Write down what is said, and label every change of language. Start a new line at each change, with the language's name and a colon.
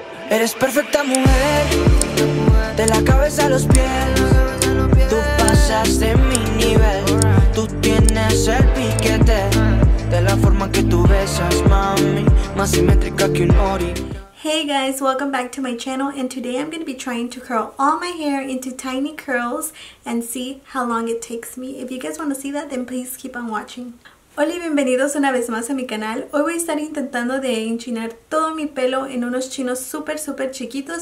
Spanish: Eres perfecta mujer, de la cabeza a los pies. Tú pasas de mi nivel, tú tienes el piquete. De la forma que tú besas, mami, más simétrica que un ori.
English: Hey guys, welcome back to my channel, and today I'm going to be trying to curl all my hair into tiny curls and see how long it takes me. If you guys want to see that, then please keep on watching.
Spanish: Hola y bienvenidos una vez más a mi canal. Hoy voy a estar intentando de enchinar todo mi pelo en unos chinos súper súper chiquitos.